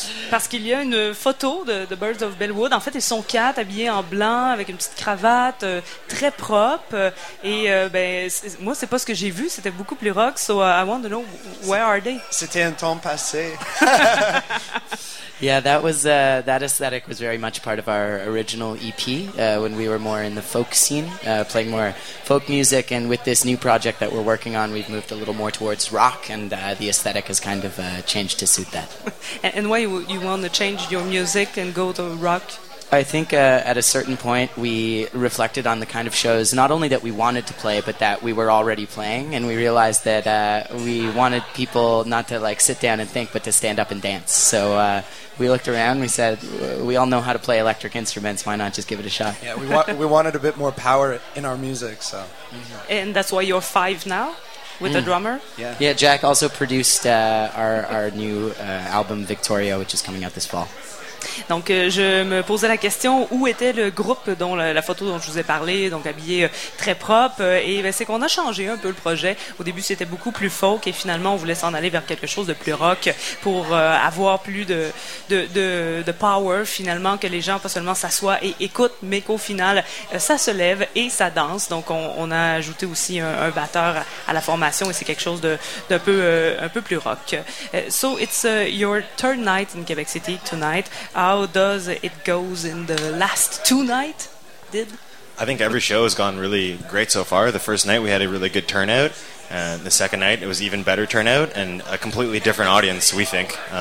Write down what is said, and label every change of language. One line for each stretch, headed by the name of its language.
French: Parce qu'il y a une photo de Birds of Bellwoods. En fait, ils sont quatre habillés en blanc avec une petite cravate très propre. Et moi, c'est pas ce que j'ai vu. C'était beaucoup plus rock.
English: So I want to know where are they?
French: C'était un temps passé.
English: Yeah, that was that aesthetic was very much part of our original EP when we were more in the folk scene, playing more folk music. And with this new project that we're working on, we've moved a little more towards rock, and the aesthetic has kind of changed to suit that. And why you want to change your music and go to rock? I think at a certain point we reflected on the kind of shows not only that we wanted to play but that we were already playing, and we realized that we wanted people not to like sit down and think but to stand up and dance. So we looked around, we said, we all know how to play electric instruments, why not just give it a shot? Yeah, we wanted a bit more power in our music, so. Mm-hmm. And that's why you're five now? With the drummer? Yeah. Yeah, Jack also produced our new album Victoria, which is coming out this fall.
French: Donc, je me posais la question, où était le groupe dont la photo dont je vous ai parlé, donc habillé très propre, et c'est qu'on a changé un peu le projet. Au début, c'était beaucoup plus folk, et finalement, on voulait s'en aller vers quelque chose de plus rock pour avoir plus de power, finalement, que les gens pas seulement s'assoient et écoutent, mais qu'au final, ça se lève et ça danse. Donc, on a ajouté aussi un batteur à la formation, et c'est quelque chose d'un peu plus rock.
English: So, it's your third night in Quebec City tonight. How does it go in the last two nights? Did I think every show has gone really great so far. The first night we had a really good turnout, and the second night it was even better turnout, and a completely different audience, we think.